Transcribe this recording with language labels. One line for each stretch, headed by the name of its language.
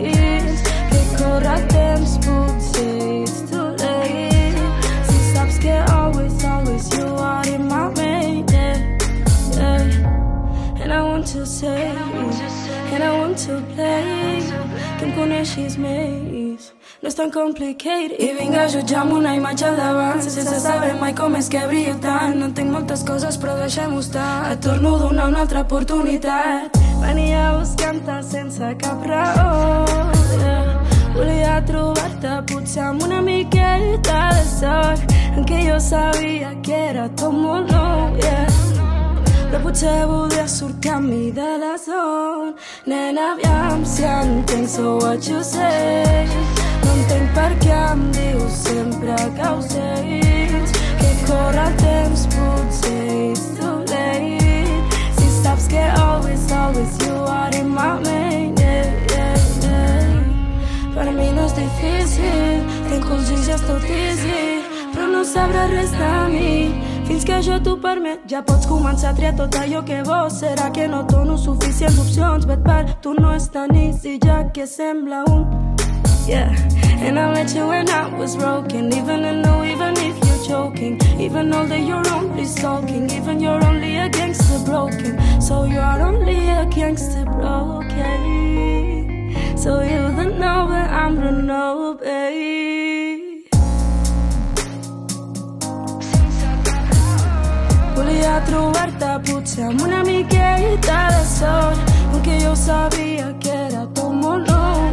Catalan: Que corre el temps, potser
English: it's too late.
Catalan: Si saps que
English: always, always you are in my way. Yeah, yeah. And I want to say, and I want to play.
Catalan: Que em coneixis més. No és tan complicat. I vinga, jutjar-me una imatge davant, sense saber mai com és que brillo tant. No entenc moltes coses, però deixem-ho estar. Et torno a donar una altra oportunitat. Venia buscant-te sense cap raó. Volia trobar-te potser amb una miqueta de sort, en què jo sabia que era tot molt nou. Però potser voldria sortir a mi de la zona. Nena, aviam si entenc,
English: so what you say.
Catalan: No entenc per què em dius sempre que ho sents. Que corre el temps, potser
English: it's too late.
Catalan: Si saps que
English: always, always you are in my mind. Yeah, yeah, yeah.
Catalan: Per mi no és difícil, tenc els dits ja tot easy. Però no sabrà res de mi fins que jo t'ho permet. Ja pots començar a triar tot allò que vols. Serà que no dono suficients opcions, but per tu no és tan easy, ja que sembla un...
English: Yeah, and I met you when I was broken. Even I know, even if you're joking. Even all that you're only stalking. Even you're only a gangster broken. So you are only a gangster broken. So you don't know where I'm running, oh babe.
Catalan: Volia trobar-te potser amb una miqueta de sort, aunque jo sabia que era tot molt nou.